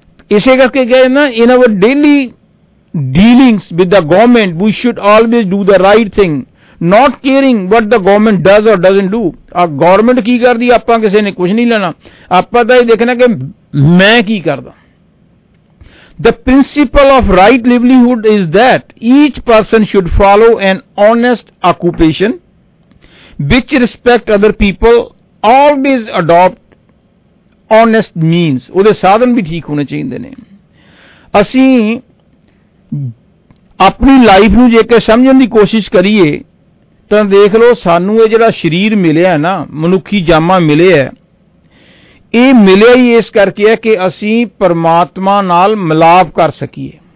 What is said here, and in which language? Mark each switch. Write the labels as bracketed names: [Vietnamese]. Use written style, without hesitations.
[Punjabi] ਇਸੇ ਕਰਕੇ ਕਿਹਾ ਜਾਂਦਾ [English] In our daily dealings with the government we should always do the right thing, not caring what the government does or doesn't do. [Punjabi] ਆ government ਕੀ ਕਰਦੀ, ਆਪਾਂ ਕਿਸੇ ਨੇ ਕੁਛ ਨਹੀਂ ਲੈਣਾ, ਆਪਾਂ ਤਾਂ ਇਹ ਦੇਖਣਾ ਕਿ ਮੈਂ ਕੀ ਕਰਦਾ। [English] The principle of right livelihood is that each person should follow an honest occupation which respect other people, always adopt honest means. [Punjabi] ਉਹਦੇ ਸਾਧਨ ਵੀ ਠੀਕ ਹੋਣੇ ਚਾਹੀਦੇ ਨੇ। ਅਸੀਂ ਆਪਣੀ ਲਾਈਫ ਨੂੰ ਜੇਕਰ ਸਮਝਣ ਦੀ ਕੋਸ਼ਿਸ਼ ਕਰੀਏ ਤਾਂ ਦੇਖ ਲਓ, ਸਾਨੂੰ ਇਹ ਜਿਹੜਾ ਸਰੀਰ ਮਿਲਿਆ ਨਾ, ਮਨੁੱਖੀ ਜਾਮਾ ਮਿਲਿਆ, ਇਹ ਮਿਲਿਆ ਹੀ ਇਸ ਕਰਕੇ ਹੈ ਕਿ ਅਸੀਂ ਪਰਮਾਤਮਾ ਨਾਲ ਮਿਲਾਪ ਕਰ ਸਕੀਏ।